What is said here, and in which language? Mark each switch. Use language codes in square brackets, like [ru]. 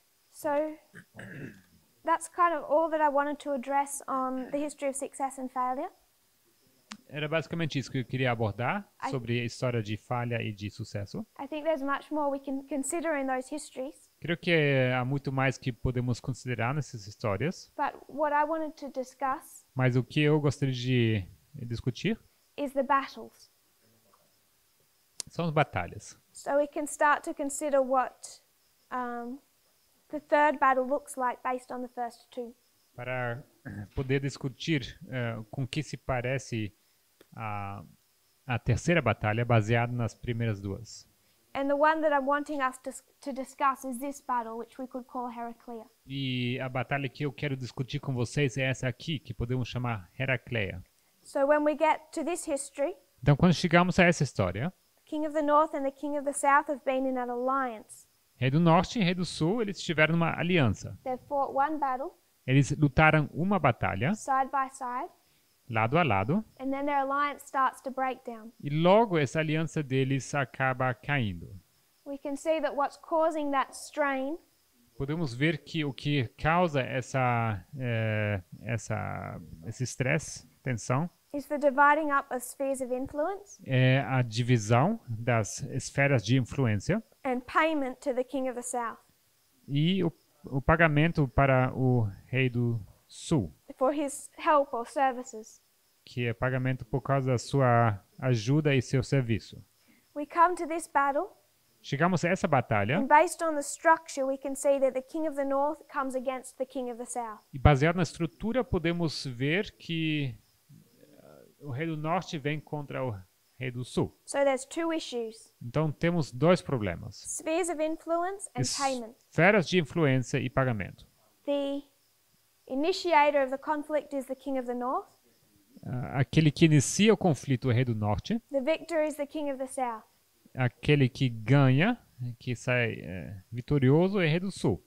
[en] So, that's kind of all that I wanted to address on the history of success and failure. [pt] Era basicamente isso que eu queria abordar sobre a história de falha e de sucesso. [en] I think there's much more we can consider in those histories. [pt] Creio que há muito mais que podemos considerar nessas histórias. [en] But what I wanted to discuss, [pt] mas o que eu gostaria de discutir, [en] is the battles. [pt] São as batalhas. [en] So we can start to consider what the third battle looks like based on the first two. [pt] Para poder discutir com que se parece a terceira batalha baseada nas primeiras duas. [en] And the one that I'm wanting us to discuss is this battle, which we could call Heraclea. [pt] E a batalha que eu quero discutir com vocês é essa aqui, que podemos chamar Heraclea. [en] So when we get to this history, [pt] então quando chegamos a essa história, [en] King of the North and the King of the South have been in an alliance. [pt] Rei do Norte e Rei do Sul, eles estiveram numa aliança. [en] They fought one battle. [pt] Eles lutaram uma batalha. [en] Side by side. [pt] Lado a lado. [en] And then their alliance starts to break down. [pt] E logo essa aliança deles acaba caindo. [en] We can see that what's causing that strain, [pt] podemos ver que o que causa esse stress, tensão, [en] is the dividing up of spheres of influence, [pt] é a divisão das esferas de influência, [en] and payment to the king of the south. [pt] E o pagamento para o rei do sul. [en] For his help or services. [pt] Que é pagamento por causa da sua ajuda e seu serviço. [en] We come to this battle. [pt] Chegamos a essa batalha. [en] And based on the structure, we can see that the king of the north comes against the king of the south. [pt] E baseado na estrutura, podemos ver que o rei do norte vem contra o rei do sul. [en] So there's two issues. [pt] Então temos dois problemas. [en] Spheres of influence and payment. [pt] Esferas de influência e pagamento. [en] The initiator of the conflict is the king of the north. [pt] Aquele que inicia o conflito é o rei do norte. [en] The victor is the king of the south. [pt] Aquele que ganha, que sai vitorioso, é o rei do sul.